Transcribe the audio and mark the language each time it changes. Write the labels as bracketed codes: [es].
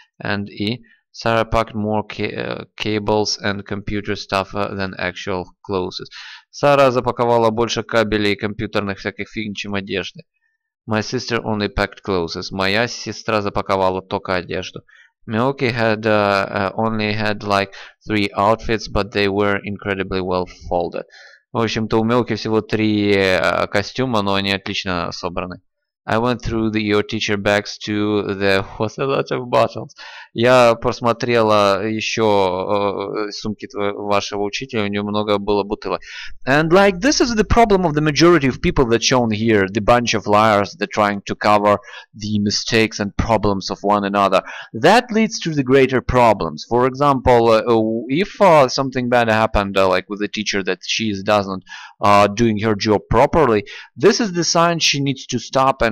[en] And E. Sarah packed more cables and computer stuff than actual clothes. [ru] Сара запаковала больше кабелей и компьютерных всяких фигней, чем одежды. [en] My sister only packed clothes. [ru] Моя сестра запаковала только одежду. [en] Milky had only had like three outfits, but they were incredibly well folded. [ru] В общем-то, у Милки всего три костюма, но они отлично собраны. [en] I went through your teacher bags to there was a lot of bottles. [ru] Я просмотрела еще сумки вашего учителя, у него много было бутылок. [en] And like this is the problem of the majority of people that shown here, the bunch of liars that trying to cover the mistakes and problems of one another. That leads to the greater problems. For example, if something bad happened like with the teacher that she is doesn't doing her job properly, this is the sign she needs to stop and